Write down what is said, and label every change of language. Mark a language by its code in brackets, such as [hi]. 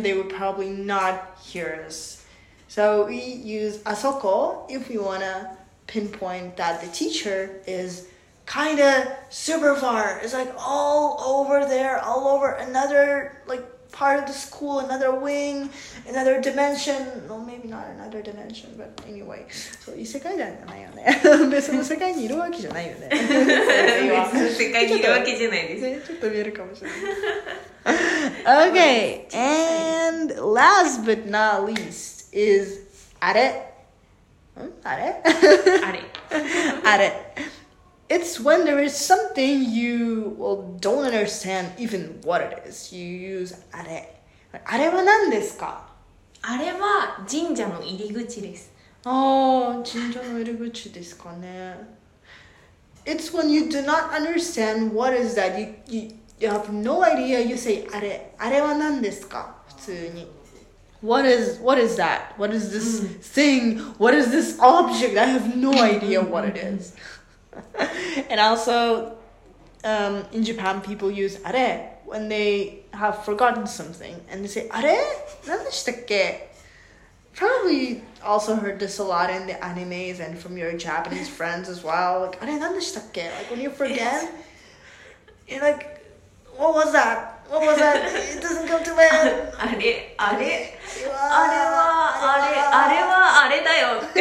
[en] They would probably not hear us. So we use asoko if we want to pinpoint that the teacher is kind of super far. It's like all over there, all over another like part of the school, another wing, another dimension. Well, maybe not another dimension, but anyway. [ja] So, 異世界じゃないよね。別の世界にいるわけじゃないよね。別の世界にいるわけじゃないです。ね、ちょっと見えるかもしれない。 [en] Okay, and last but not least is あれ。 [ja] あれ？あれ。あれ。 [en] It's when there is something you well, don't understand even what it is. You use [ja] あれ。あれは何ですか？あれは神社の入り口です。ああ、神社の入り口ですかね。 [en] It's when you do not understand what is that. You have no idea. You say [ja] あれ。あれは何ですか？普通に。 [en] What is that? What is this thing? What is this object? I have no idea what it is. And also, in Japan, people use あれ when they have forgotten something. And they say, [ja] あれ?何でしたっけ? [en] Probably also heard this a lot in the animes and from your Japanese friends as well. Like, [ja] あれ?何でしたっけ? [en] Like, when you forget, you're like, what was that? What was that? It doesn't come to my head. [ja] あれ?あれ? あれは、あれ、あれはあれだよ。